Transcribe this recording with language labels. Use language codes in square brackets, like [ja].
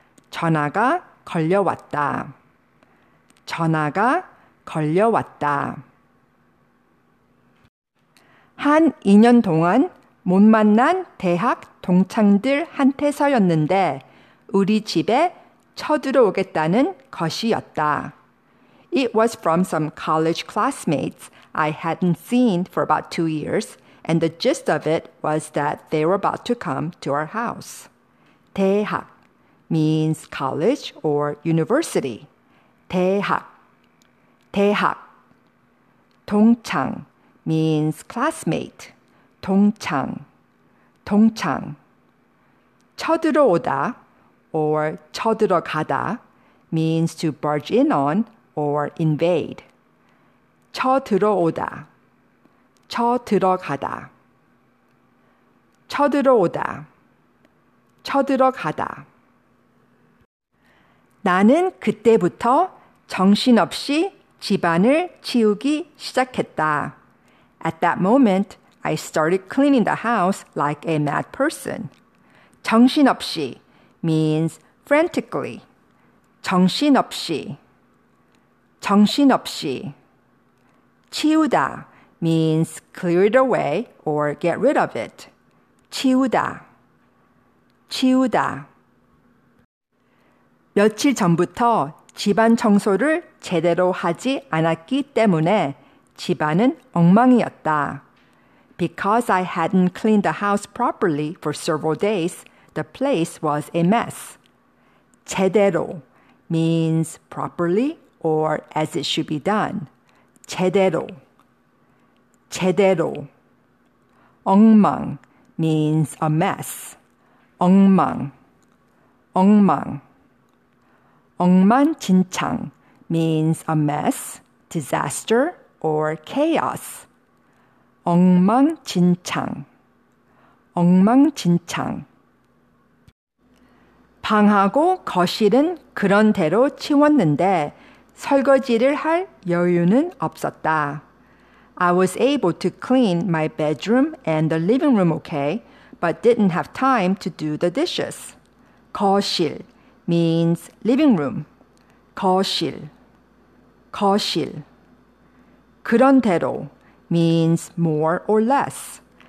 [ko] 전화가 걸려왔다. 전화가 걸려왔다. 한 2년 동안 못 만난 대학 동창들한테서였는데 우리 집에 쳐들어오겠다는 것이었다. [en] It was from some college classmates I hadn't seen for about 2 years, and the gist of it was that they were about to come to our house. 대학 means college or university. 대학 대학 동창 means classmate. 동창 동창 쳐들어오다 or 쳐들어가다 means to barge in on or invade. [ko] 쳐들어오다 쳐들어가다 쳐들어오다 쳐들어가다 나는 그때부터 정신없이 집안을 치우기 시작했다. [en] At that moment, I started cleaning the house like a mad person. 정신없이 means frantically. 정신없이 정신없이 치우다 means clear it away or get rid of it. [ko] 치우다 치우다 며칠 전부터 집안 청소를 제대로 하지 않았기 때문에 집안은 엉망이었다. [en] Because I hadn't cleaned the house properly for several days, the place was a mess. 제대로 means properly or as it should be done. 제대로 제대로. 엉망 means a mess. 엉망, 엉망. 엉망진창 means a mess, disaster, or chaos. [ko] 엉망진창, 엉망진창. 방하고 거실은 그런 대로 치웠는데 설거지를 할 여유는 없었다. [en] I was able to clean my bedroom and the living room okay, but didn't have time to do the dishes. 거실 means living room. 거실, 거실. 그런 대로 means more or less.